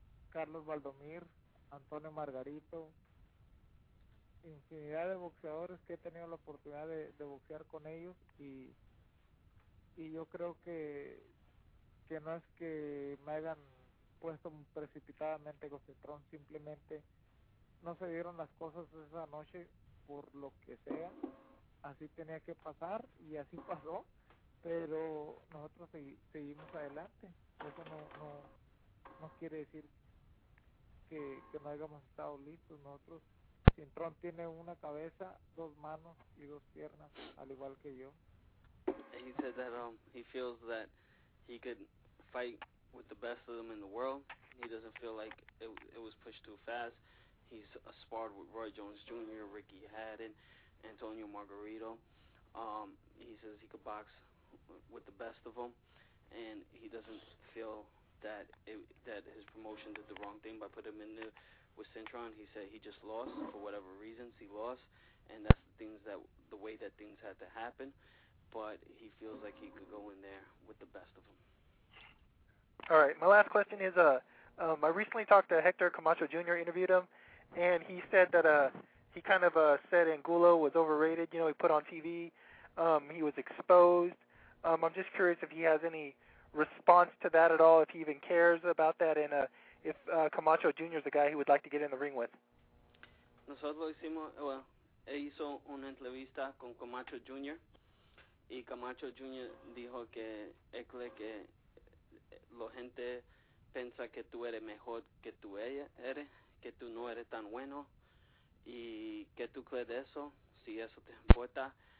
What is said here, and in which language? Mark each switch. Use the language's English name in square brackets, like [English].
[Spanish] Carlos Valdomir, Antonio Margarito, infinidad de boxeadores que he tenido la oportunidad de boxear con ellos y yo creo que no es que me hayan puesto precipitadamente con Cintron, simplemente no se dieron las cosas esa noche por lo que sea, así tenía que pasar y así pasó, pero nosotros seguimos adelante. Eso no quiere decir que no hayamos estado listos. Nosotros, Cintron tiene una cabeza, dos manos y dos piernas, al igual que yo. [English] He said that he feels that he could fight with the best of them in the world. He doesn't feel like it was pushed too fast. He's sparred with Roy Jones Jr., Ricky Haddon, Antonio Margarito. He says he could box with the best of them. And he doesn't feel that his promotion did the wrong thing by putting him in there with Cintron. He said he just lost for whatever reasons he lost, and that's the way that things had to happen. But he feels like he could go in there with the best of them. All right, my last question is: I recently talked to Hector Camacho Jr. Interviewed him, and he said that he said Angulo was overrated. You know, he put on TV, he was exposed. I'm just curious if he has any response to that at all, if he even cares about that, and if Camacho Jr. is the guy he would like to get in the ring with. [Spanish] Nosotros hicimos, él hizo una entrevista con Camacho Jr. y Camacho Jr. dijo que él cree que la gente piensa que tú eres mejor que tú eres, que tú no eres tan bueno, y que tú crees de eso, si eso te importa.